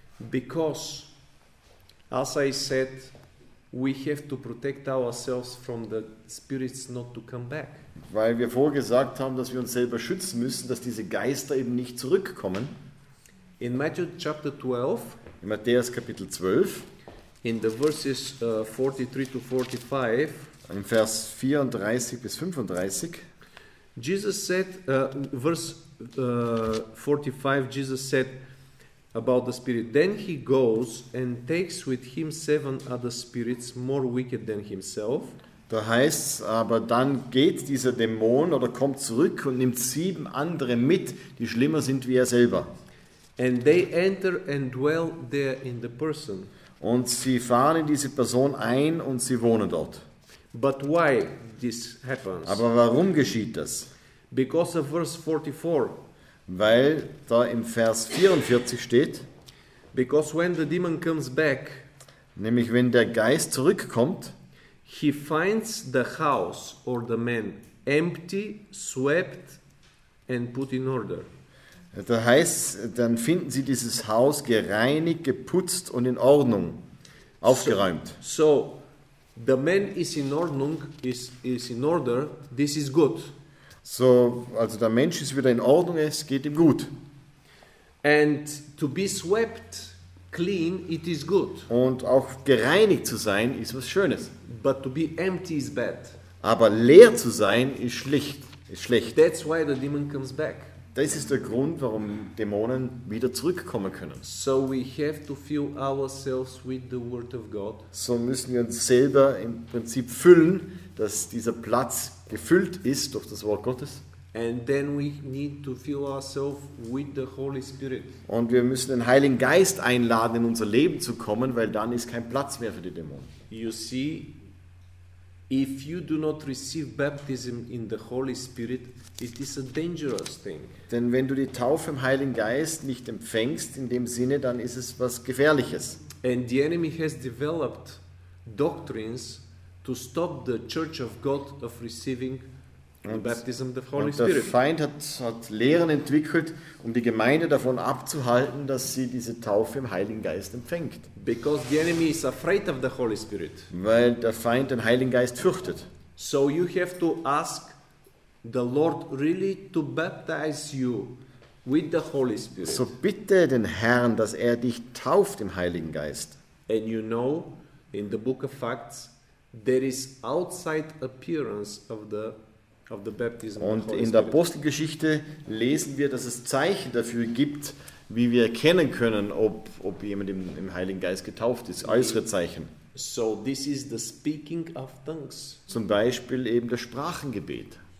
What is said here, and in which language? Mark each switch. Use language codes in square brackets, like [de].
[en] Because, as I said, we have to protect ourselves from the spirits not to come back. [de] Weil wir vorgesagt haben, dass wir uns selber schützen müssen, dass diese Geister eben nicht zurückkommen. [en] In Matthew chapter 12, [de] in Matthäus Kapitel 12, [en] in the verses 43 to 45, [de] in Vers 34 bis 35, [en] Jesus said, verse 45, Jesus said about the spirit, then he goes and takes with him seven other spirits more wicked than himself. [de] Da heißt's, aber dann geht dieser Dämon oder kommt zurück und nimmt sieben andere mit, die schlimmer sind wie er selber. [en] And they enter and dwell there in the person. [de] Und sie fahren in diese Person ein und sie wohnen dort. [en] But why this happens? [de] Aber warum geschieht das? [en] Because of verse 44. [de] Weil da im Vers 44 steht, [en] because when the demon comes back, [de] nämlich wenn der Geist zurückkommt, [en] he finds the house or the man empty, swept and put in order. [de] Das heißt, dann finden sie dieses Haus gereinigt, geputzt und in Ordnung, aufgeräumt. [en] So the man is [de] in Ordnung, [en] is in order, this is good. [de] So, also der Mensch ist wieder in Ordnung, es geht ihm gut. [en] And to be swept clean, it is good. [de] Und auch gereinigt zu sein, ist was Schönes. [en] But to be empty is bad. [de] Aber leer zu sein, ist schlecht. [en] That's why the demon comes back. [de] Das ist der Grund, warum Dämonen wieder zurückkommen können. [en] So we have to fill ourselves with the word of God. [de] So müssen wir uns selber im Prinzip füllen, dass dieser Platz gefüllt ist durch das Wort Gottes. [en] And then we need to fill ourselves with the Holy Spirit. [de] Und wir müssen den Heiligen Geist einladen, in unser Leben zu kommen, weil dann ist kein Platz mehr für die Dämonen. [en] You see, if you do not receive baptism in the Holy Spirit, it is a dangerous thing. [de] Denn wenn du die Taufe im Heiligen Geist nicht empfängst, in dem Sinne, dann ist es was Gefährliches. [en] And the enemy has developed doctrines to stop the Church of God of receiving baptism of the Holy Spirit. [de] Und der Feind hat Lehren entwickelt, um die Gemeinde davon abzuhalten, dass sie diese Taufe im Heiligen Geist empfängt. [en] Because the enemy is afraid of the Holy Spirit. [de] Weil der Feind den Heiligen Geist fürchtet. [en] So you have to ask the Lord really to baptize you with the Holy Spirit. [de] So bitte den Herrn, dass er dich tauft im Heiligen Geist. [en] And you know, in the Book of Acts, there is outside appearance of the baptism. [de] Und in der Apostelgeschichte lesen wir, dass es Zeichen dafür gibt, wie wir erkennen können, ob jemand im Heiligen Geist getauft ist. Äußere Zeichen. [en] So this is the speaking of tongues. [de] Zum Beispiel eben das Sprachengebet.